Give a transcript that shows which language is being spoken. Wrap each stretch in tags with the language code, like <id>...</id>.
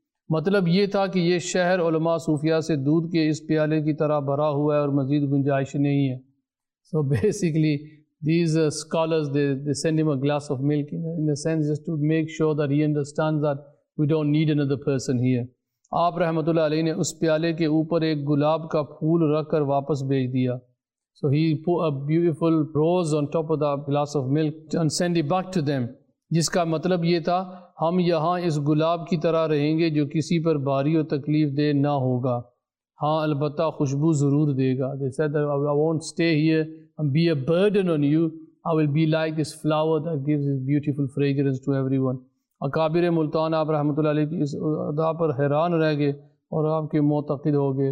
<ur>مطلب یہ تھا کہ یہ شہر علماء صوفیہ سے دودھ کے اس پیالے کی طرح بھرا ہوا ہے اور مزید گنجائش نہیں ہے.</ur> <en>So basically these scholars, they send him a glass of milk in a sense just to make sure that he understands that we don't need another person here.</en> <ur>آپ رحمت اللہ علیہ نے اس پیالے کے اوپر ایک گلاب کا پھول رکھ کر واپس بھیج دیا.</ur> <en>So he put a beautiful rose on top of the glass of milk and send it back to them.</en> <ur>جس کا مطلب یہ تھا ہم یہاں اس گلاب کی طرح رہیں گے جو کسی پر باری اور تکلیف دے نہ ہوگا, ہاں البتہ خوشبو ضرور دے گا.</ur> <en>They said that I won't stay here and be a burden on you. I will be like this flower that gives this beautiful fragrance to everyone.</en> <ur>اکابر ملتان آپ رحمۃ اللہ علیہ کی اس ادا پر حیران رہ گئے اور آپ کے معتقد ہو گئے.</ur>